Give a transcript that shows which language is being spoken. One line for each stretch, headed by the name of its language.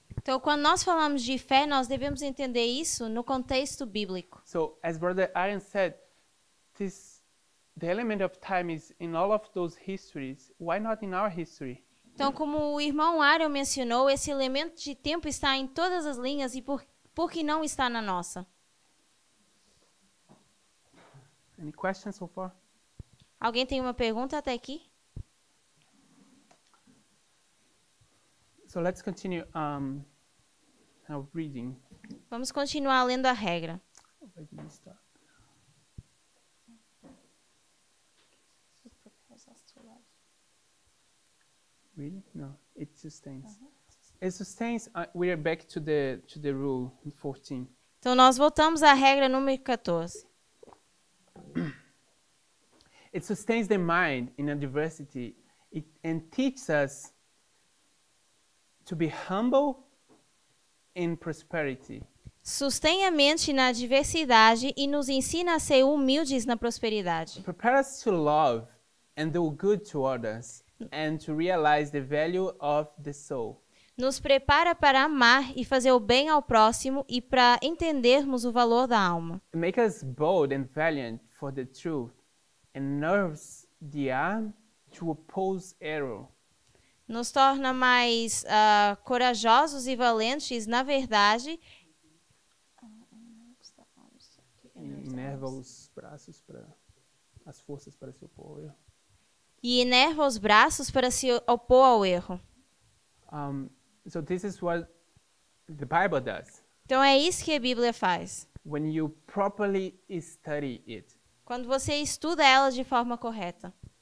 Portuguese: Então, quando nós falamos de fé, nós devemos entender isso no contexto bíblico.
English: So, as Brother Arian said, the element of time is in all of those histories. Why not in our history?
Portuguese: Então, como o irmão Arian mencionou, esse elemento de tempo está em todas as linhas e por que não está na nossa?
English: Any questions so far?
Portuguese: Alguém tem uma pergunta até aqui?
English: So let's continue our reading.
Portuguese: Vamos continuar lendo a regra.
English: Where did we start? Really? No, it sustains. Uh-huh. It sustains. We are back to the rule 14.
Portuguese: Então nós voltamos à regra número 14.
English: It sustains the mind in adversity. It and teaches us to be humble in prosperity.
Portuguese: Sustém a mente na adversidade e nos ensina a ser humildes na prosperidade.
English: Prepare us to love and do good to others and to realize the value of the soul.
Portuguese: Nos prepara para amar e fazer o bem ao próximo e para entendermos o valor da alma.
English: Make us bold and valiant for the truth and nerves the arm to oppose error.
Portuguese: Nos torna mais corajosos e valentes na verdade. Enerva os braços para as forças para se opor ao erro. E enerva os braços para se opor ao erro.
English: So this is what the Bible does.
Portuguese: Então é isso que a Bíblia faz.
English: When you properly study it.
Portuguese: Quando você estuda ela de forma correta.